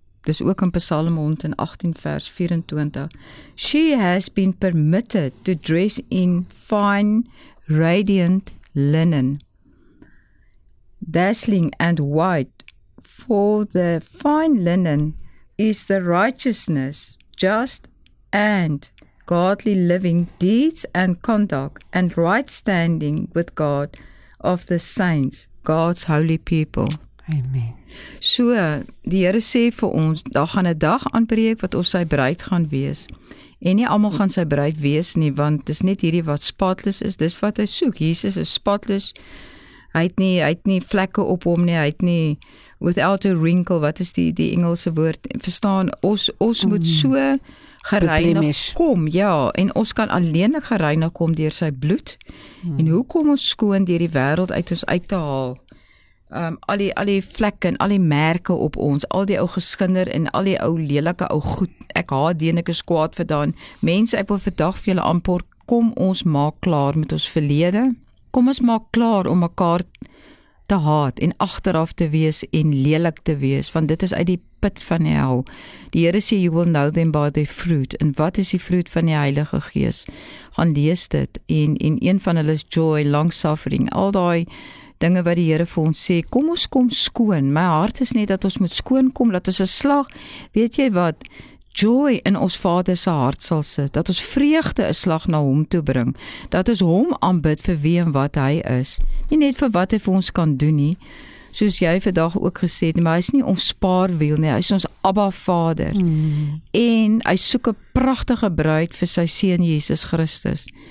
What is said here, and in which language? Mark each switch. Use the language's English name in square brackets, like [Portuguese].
[Afrikaans] Dis ook in Psalm 118 vers 24. [English] She has been permitted to dress in fine, radiant linen, dazzling and white, for the fine linen is the righteousness, just and godly living deeds and conduct and right standing with God of the saints. God's holy people. Amen. [Afrikaans] So, die Here sê vir ons, daar gaan 'n dag aanbreek wat ons sy bruid gaan wees. En nie almal gaan sy bruid wees nie, want dis net hierdie wat spotless is, dis wat hy soek. Jesus is spotless. Hy het nie vlekke op hom nie, hy het nie [English] without a wrinkle, [Afrikaans] wat is die Engelse woord? Verstaan, ons moet so gereinig kom, ja, en ons kan alleen gereinig kom deur sy bloed. En hoe kom ons skoon deur die wêreld uit ons uit te haal? Al die vlekke en al die merke op ons, al die ou geskinder en al die ou lelike ou goed. Ek haat dit en ek is kwaad vir daan. Mense, ek wil vandag vir julle aanpoor, kom ons maak klaar met ons verlede. Kom ons maak klaar om mekaar te haat en agteraf te wees en lelik te wees, want dit is uit die pit van die hel. Die Here sê, [English] you will know them by their fruit. [Afrikaans] En wat is die vruit van die Heilige Gees? Gaan lees dit. En een van hulle is [English] joy, long suffering, [Afrikaans] al die dinge wat die Here vir ons sê, kom ons kom skoon. My hart is net dat ons moet skoon kom, dat ons 'n slag, weet jy wat, joy in ons Vader se hart sal sit, dat ons vreugde 'n slag na hom toe bring, dat ons hom aanbid vir wie en wat hy is, nie net vir wat hy vir ons kan doen nie, soos jy vandag ook gesê het, maar hy is nie ons spaarwiel nie, hy is ons Abba Vader, en hy soek 'n pragtige bruid vir sy seun Jesus Christus.